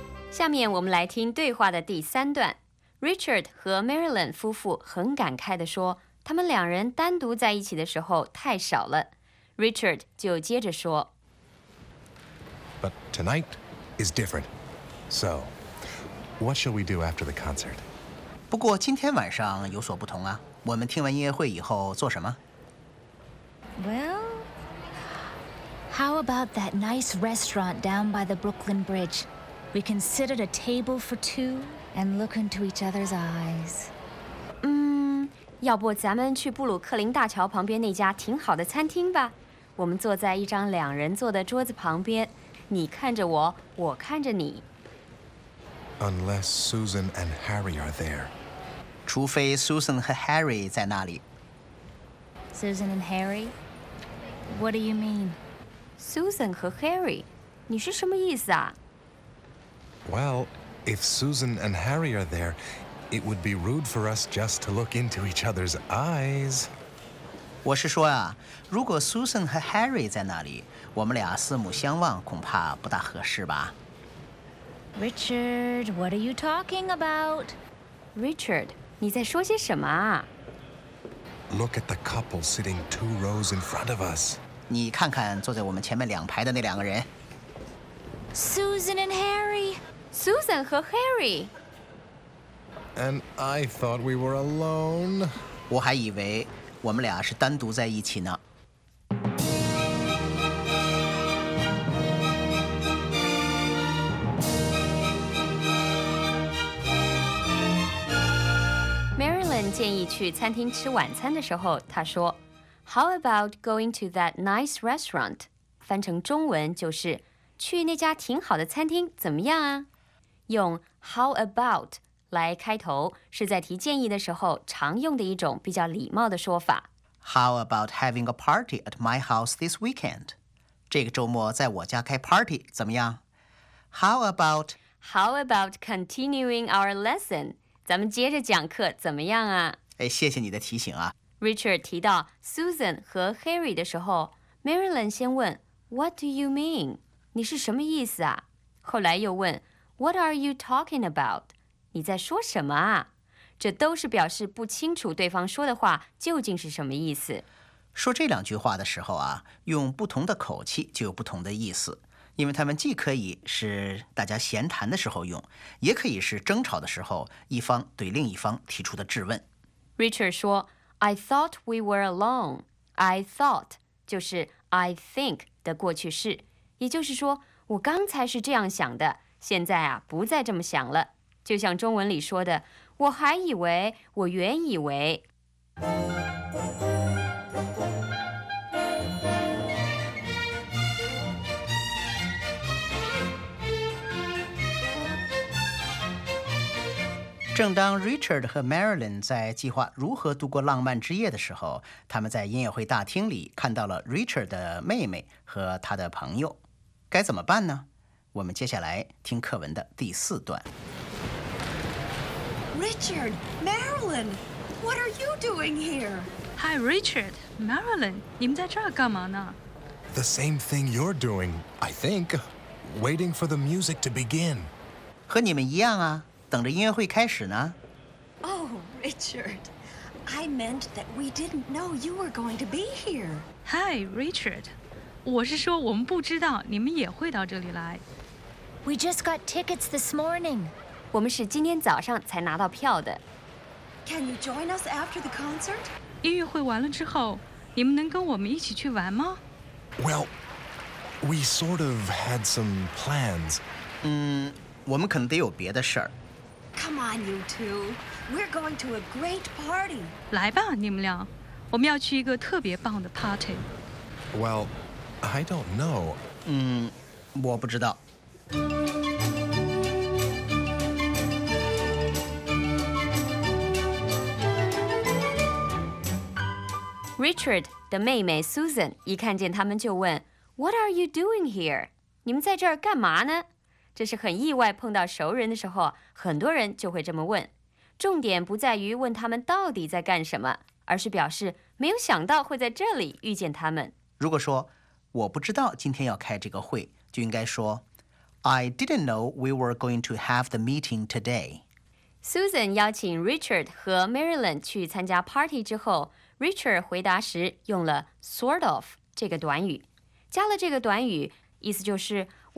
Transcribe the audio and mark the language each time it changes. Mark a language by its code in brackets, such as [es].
[zh] 下面我们来听对话的第三段。Richard 和 Marilyn 夫妇很感慨地说，他们两人单独在一起的时候太少了。 Richard 就接着说， [en] But tonight is different. So, what shall we do after the concert? [zh] 不过今天晚上有所不同啊，我们听完音乐会以后做什么？ [en] Well, how about that nice restaurant down by the Brooklyn Bridge? We can sit at a table for two and look into each other's eyes. [zh] 要不咱们去布鲁克林大桥旁边那家挺好的餐厅吧。我们坐在一张两人坐的桌子旁边，你看着我，我看着你。 [en] Unless Susan and Harry are there. [zh] 除非 Susan 和 Harry 在那里。 [en] Susan and Harry? What do you mean? [zh] Susan 和 Harry? 你是什么意思啊？ [en] Well, if Susan and Harry are there, it would be rude for us just to look into each other's eyes. [zh] 我是说啊，如果 Susan 和 Harry 在那里，我们俩四目相望恐怕不大合适吧。 [en] Richard, what are you talking about? [zh] Richard, 你在说些什么啊？ [en] Look at the couple sitting two rows in front of us. [zh] 你看看坐在我们前面两排的那两个人。 [en] Susan and Harry. [zh] Susan 和 Harry. [en] And I thought we were alone. [zh] 我还以为我们俩是单独在一起呢。 Marilyn 建议去餐厅吃晚餐的时候，她说 [en] How about going to that nice restaurant? [zh] 翻成中文就是去那家挺好的餐厅怎么样啊？用 [en] how about [zh] 来开头，是在提建议的时候常用的一种比较礼貌的说法。 [en] How about having a party at my house this weekend? [zh] 这个周末在我家开 party 怎么样？ [en] How about continuing our lesson? [zh] 咱们接着讲课怎么样啊？哎，谢谢你的提醒啊。 Richard 提到 Susan 和 Harry 的时候， Marilyn 先问 [en] What do you mean? [zh] 你是什么意思啊？后来又问 [en] What are you talking about? [zh] 你在说什么啊？这都是表示不清楚对方说的话究竟是什么意思。说这两句话的时候啊，用不同的口气就有不同的意思，因为他们既可以是大家闲谈的时候用，也可以是争吵的时候一方对另一方提出的质问。 [en] Richard [zh] 说 [en] I thought we were alone. I thought [zh] 就是 [en] I think [zh] 的过去式，也就是说我刚才是这样想的，现在啊，不再这么想了。就像中文里说的，我还以为，我原以为。正当 Richard 和 Marilyn 在计划如何度过浪漫之夜的时候，他们在音乐会大厅里看到了 Richard 的妹妹和他的朋友，该怎么办呢？我们接下来听课文的第四段。 [en] Richard, Marilyn, what are you doing here? [zh] Hi, Richard, Marilyn, 你们在这儿干嘛呢？ [en] The same thing you're doing, I think. Waiting for the music to begin. [zh] 和你们一样啊，等着音乐会开始呢。 [en] Oh, Richard, I meant that we didn't know you were going to be here. [zh] Hi, Richard, 我是说我们不知道你们也会到这里来。 [en] We just got tickets this morning. [zh] 我们是今天早上才拿到票的。 [en] Can you join us after the concert? [zh] 音乐会完了之后，你们能跟我们一起去玩吗？ [en] Well, we sort of had some plans. [zh] 我们可能得有别的事儿。 [en] Come on, you two. We're going to a great party. [zh] 来吧，你们俩，我们要去一个特别棒的 party. [en] Well, I don't know. [zh] 我不知道。 Richard 的妹妹 Susan 一看见他们就问 [en] What are you doing here? [zh] 你们在这儿干嘛呢？这是很意外碰到熟人的时候，很多人就会这么问。重点不在于问他们到底在干什么，而是表示没有想到会在这里遇见他们。如果说我不知道今天要开这个会，就应该说 [en] I didn't know we were going to have the meeting today. [zh] Susan 邀请 Richard 和 Marilyn 去参加 party 之后， Richard 回答时用了 [en] sort of [zh] 这个短语，加了这个短语，意思就是